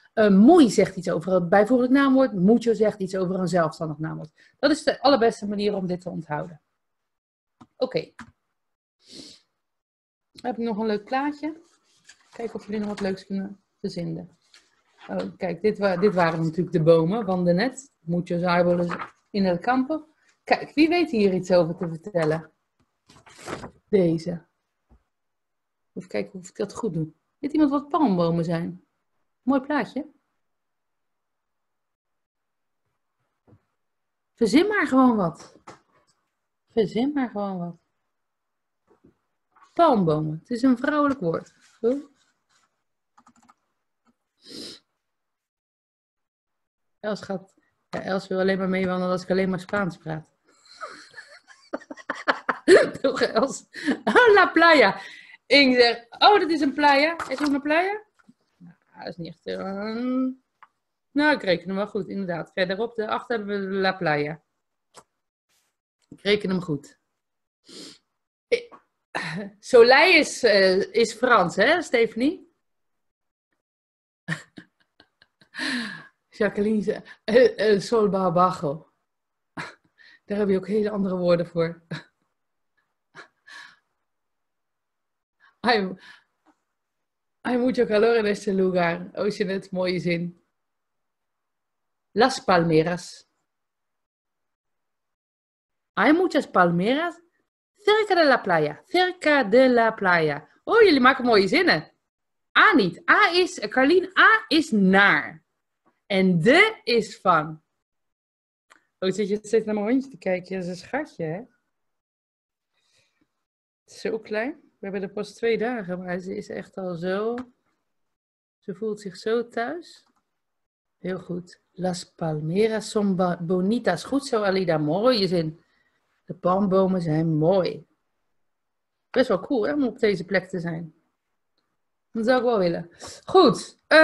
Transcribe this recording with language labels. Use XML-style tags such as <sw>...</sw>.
<nl>Muy zegt iets over een bijvoeglijk naamwoord. Mucho zegt iets over een zelfstandig naamwoord. Dat is de allerbeste manier om dit te onthouden. Oké. Okay. Heb ik nog een leuk plaatje? Kijk of jullie nog wat leuks kunnen verzinnen. Kijk, dit waren natuurlijk de bomen van daarnet.</nl> <es>Muchos árboles in el campo.</es> <nl>Kijk, wie weet hier iets over te vertellen? Deze. Even kijken of ik dat goed doe. Weet iemand wat palmbomen zijn? Mooi plaatje. Verzin maar gewoon wat. Verzin maar gewoon wat. Palmbomen. Het is een vrouwelijk woord. Goed. Els gaat... Ja, Els wil alleen maar meewandelen als ik alleen maar Spaans praat. Toch, Els? La playa. Inge zegt, oh, dat is een playa. Is het ook een playa? Nou, dat is niet echt... Nou, ik reken hem wel goed, inderdaad. Verderop, daarachter hebben we la playa. Ik reken hem goed. Soleil is Frans, hè, Stephanie? Jacqueline zegt,</nl> <es>sol bajo.</es> <nl>Daar heb je ook hele andere woorden voor.</nl> <es>Hay mucho calor en este lugar.</es> <nl>Oh, is je net een mooie zin.</nl> <es>Las palmeras. Hay muchas palmeras cerca de la playa. Cerca de la playa.</es> <nl>Oh, jullie maken mooie zinnen. A niet. A is, Carlien, A is naar. En de is van. Oh, zit je steeds naar mijn hondje te kijken. Dat is een schatje, hè? Zo klein. We hebben er pas 2 dagen, maar ze is echt al zo Ze voelt zich zo thuis. Heel goed.</nl> <es>Las palmeras son bonitas.</es> <nl>Goed zo, Alida. Mooie zin. De palmbomen zijn mooi. Best wel cool, hè, om op deze plek te zijn. Dat zou ik wel willen. Goed.</nl>